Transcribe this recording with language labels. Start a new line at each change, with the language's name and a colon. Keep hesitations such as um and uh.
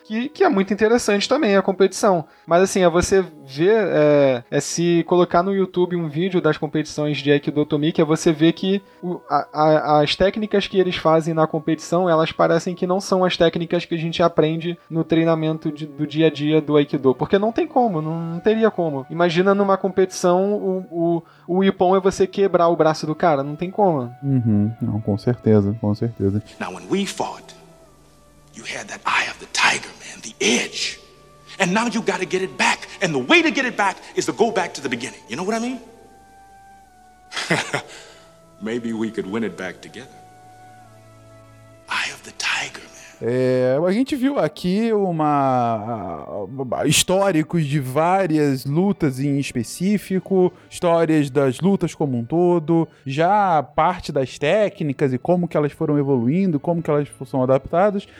Portuguese: Que, que é muito interessante também a competição. Mas assim, é você ver, é, é se colocar no YouTube um vídeo das competições de Aikido Tomiki, é você ver que o- a- a- as técnicas que eles fazem na competição, elas parecem que não são as técnicas que a gente aprende no treinamento de- do dia a dia do Aikido. Porque não tem como, não, não teria como. Imagina numa competição, o, o, o Ippon é você quebrar o braço do cara, não tem como. Uhum, não, com certeza, com certeza.
English: Now, when we fought, you had that eye of the tiger, man, the edge. And now you got to get it back. And the way to get it back is to go back to the beginning. You know what I mean? Maybe we could win it back together. Eye of the tiger, man.
Portuguese: É, a gente viu aqui uma históricos de várias lutas em específico, histórias das lutas como um todo, já a parte das técnicas e como que elas foram evoluindo, como que elas são adaptadas.